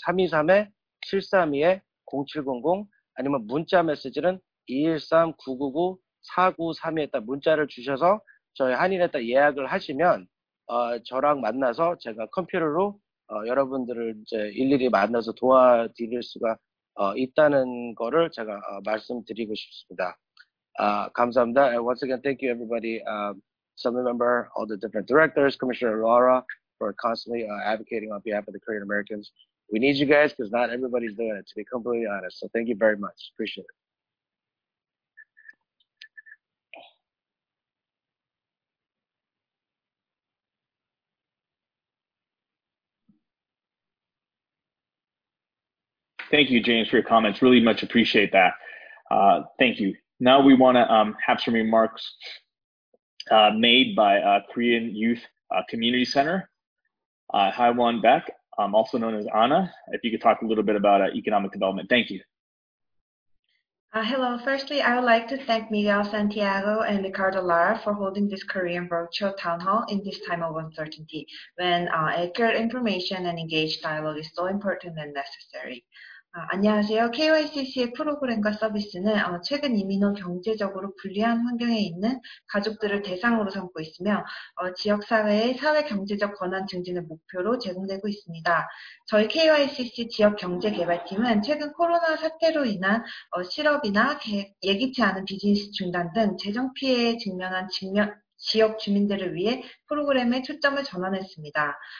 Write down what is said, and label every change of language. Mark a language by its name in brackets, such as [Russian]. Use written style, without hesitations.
[Korean] 323-732-0700 아니면 문자 메시지는 213-999-4932에다 문자를 주셔서 저희 한인에다 예약을 하시면 저랑 만나서 제가 컴퓨터로 여러분들을 이제 일일이 만나서 도와드릴 수가 있다는 거를 제가 말씀드리고 싶습니다. 감사합니다. [English] And once again, thank you everybody. Assembly Member, all the different directors, Commissioner Laura, for constantly advocating on behalf of the Korean Americans. We need you guys because not everybody's doing it, to be completely honest. So thank you very much. Appreciate it. Thank you, James, for your comments. Really much appreciate that. Thank you. Now we want to have some remarks made by Korean Youth Community Center. Haiwan Beck, also known as Anna, if you could talk a little bit about economic development. Thank you. Hello. Firstly, I would like to thank Miguel Santiago and Ricardo Lara for holding this Korean virtual town hall in this time of uncertainty, when accurate information and engaged dialogue is so important and necessary. [Korean] 안녕하세요. KYCC의 프로그램과 서비스는 최근 이민 후 경제적으로 불리한 환경에 있는 가족들을 대상으로 삼고 있으며 지역사회의 사회경제적 권한 증진을 목표로 제공되고 있습니다. 저희 KYCC 지역경제개발팀은 최근 코로나 사태로 인한 실업이나 예기치 않은 비즈니스 중단 등 재정 피해에 직면한 지역 주민들을 위해 프로그램에 초점을 전환했습니다.